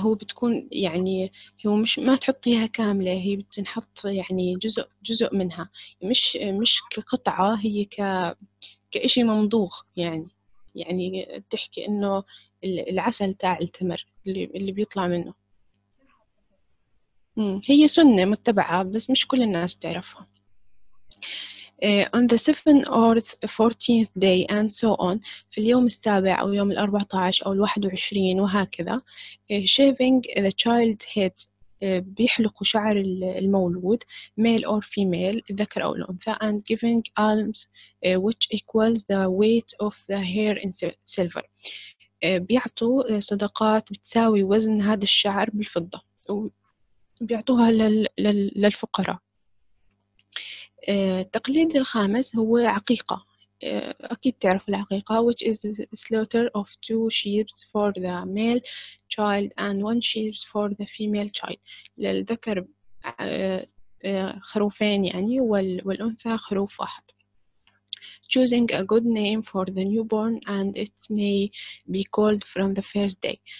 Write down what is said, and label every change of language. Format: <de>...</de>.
<ar>هو بتكون يعني هو مش ما تحطيها كاملة، هي بتنحط يعني جزء منها، مش كقطعة، هي كإشي ممضوغ يعني تحكي انه العسل تاع التمر اللي بيطلع منه. هي سنة متبعة بس مش كل الناس تعرفها.</ar> <en>On the 7th or 14th day and so on.</en> <ar>في اليوم السابع أو يوم الأربعة عشر أو الواحد وعشرين وهكذا.</ar> <en>Shaving the child's head.</en> <ar>بيحلق شعر المولود</ar> <en>male or female</en> <ar>الذكر أو الأنثى.</ar> <en>And giving alms which equals the weight of the hair in silver.</en> <ar>بيعطوا صدقات بتساوي وزن هذا الشعر بالفضة وبيعطوها للفقراء. التقليد الخامس هو عقيقة. أكيد تعرف العقيقة،</ar> <en>which is the slaughter of two sheep for the male child and one sheep for the female child.</en> <ar>للذكر خروفين يعني، والأنثى خروف واحد.</ar> <en>Choosing a good name for the newborn and it may be called from the first day.</en>